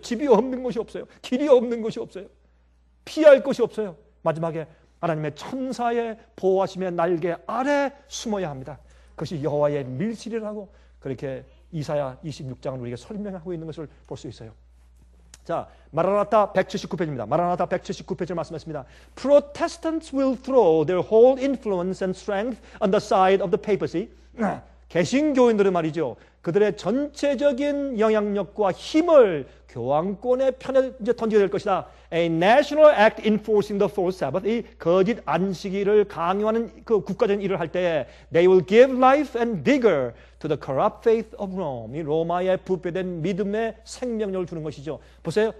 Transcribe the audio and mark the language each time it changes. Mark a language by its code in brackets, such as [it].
[ko] 집이 없는 곳이 없어요. 길이 없는 곳이 없어요. 피할 곳이 없어요. 마지막에. 하나님의 천사의 보호하심의 날개 아래 숨어야 합니다. 그것이 여호와의 밀실이라고 그렇게 이사야 26장을 우리에게 설명하고 있는 것을 볼 수 있어요. 자, 마라나타 179페이지입니다. 마라나타 179페이지를 말씀했습니다. [en] Protestants will throw their whole influence and strength on the side of the papacy. [ko] 개신교인들은 말이죠. 그들의 전체적인 영향력과 힘을 교황권의 편에 이제 던져야 될 것이다. [en] A national act enforcing the fourth Sabbath. [ko] 이 거짓 안식일을 강요하는 그 국가적인 일을 할 때에 [en] they will give life and vigor to the corrupt faith of Rome. [ko] 이 로마의 부패된 믿음에 생명력을 주는 것이죠. 보세요.